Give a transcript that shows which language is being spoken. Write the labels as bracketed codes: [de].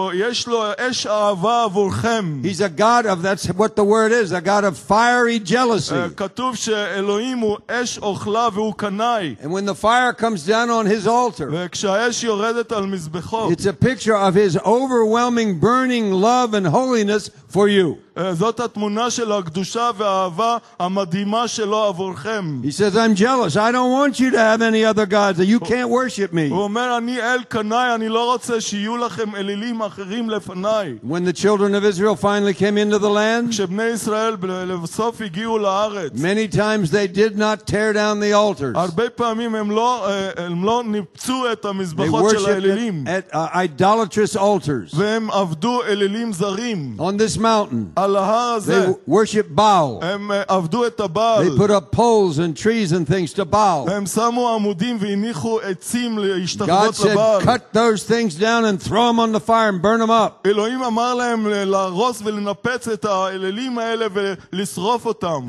[en] He's a God of, that's what the word is, a God of fiery jealousy. And when the fire comes down on his altar, it's a picture of his overwhelming burning love and holiness for you. [he] זאת התמונה של הקדושה והאהבה המדהימה שלו עבורכם. [en] He says, I'm jealous. I don't want you to have any other gods. You can't worship me. [he] הוא אומר, אני אל קנאי, אני לא רוצה שיהיו לכם אלילים אחרים לפניי. [en] When the children of Israel finally came into the land, [he] כשבני ישראל לבסוף הגיעו לארץ, [en] many times they did not tear down the altars. [he] הרבה פעמים הם לא ניפצו את המזבחות של האלילים. [en] Idolatrous altars. [he] והם עבדו אלילים זרים. [en] On this mountain, [he] על ההר הזה, [en] they worship Baal. [he] הם עבדו את הבעל. [en] They put up poles and trees and things to Baal. [he] הם שמו עמודים והניחו עצים להשתחוות לבעל. [en] God said, cut those things down and throw them on the fire and burn them up. [he] אלוהים אמר להם להרוס ולנפץ את האלילים האלה ולשרוף אותם.